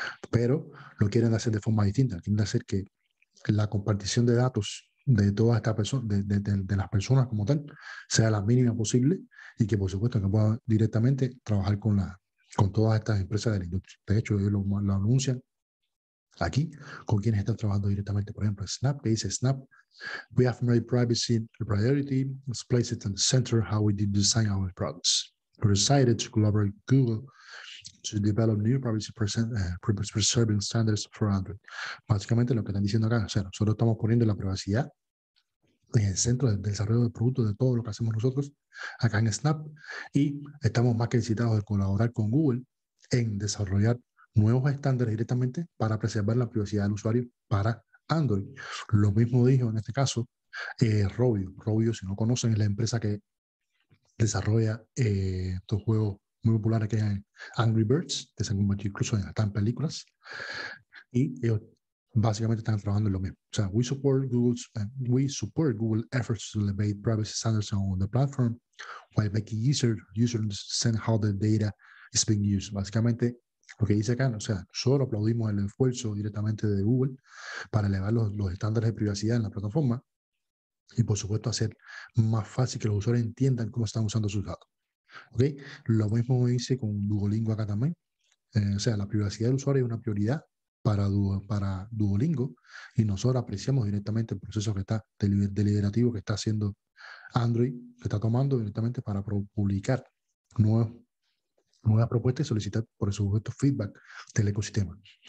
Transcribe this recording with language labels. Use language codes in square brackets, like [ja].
[es] Pero lo quieren hacer de forma distinta, quieren hacer que la compartición de datos de todas estas personas, de las personas como tal, sea la mínima posible y que, por supuesto, que pueda directamente trabajar con todas estas empresas de la industria. De hecho, ellos lo anuncian aquí con quienes están trabajando directamente. Por ejemplo, Snap, que dice Snap: [en] "We have made privacy a priority. Let's place it in the center how we design our products. We're excited to collaborate with Google to develop new privacy-preserving standards for Android". [es] Básicamente, lo que están diciendo acá, o sea, nosotros estamos poniendo la privacidad en el centro del desarrollo del producto, de todo lo que hacemos nosotros acá en Snap, y estamos más que excitados de colaborar con Google en desarrollar nuevos estándares directamente para preservar la privacidad del usuario para Android. Lo mismo dijo, en este caso, Rovio. Rovio, si no conocen, es la empresa que desarrolla estos juegos muy populares, que es Angry Birds, que se han convertido incluso en películas, y ellos básicamente están trabajando en lo mismo. O sea, [en] we support Google efforts to elevate privacy standards on the platform while making user understand how the data is being used. [es] Básicamente, lo que dice acá, o sea, solo aplaudimos el esfuerzo directamente de Google para elevar los estándares de privacidad en la plataforma y, por supuesto, hacer más fácil que los usuarios entiendan cómo están usando sus datos. ¿Okay? Lo mismo dice con Duolingo acá también. O sea, la privacidad del usuario es una prioridad para Duolingo, y nosotros apreciamos directamente el proceso que está deliberativo que está haciendo Android, que está tomando directamente para publicar nuevas propuestas y solicitar, por supuesto, feedback del ecosistema.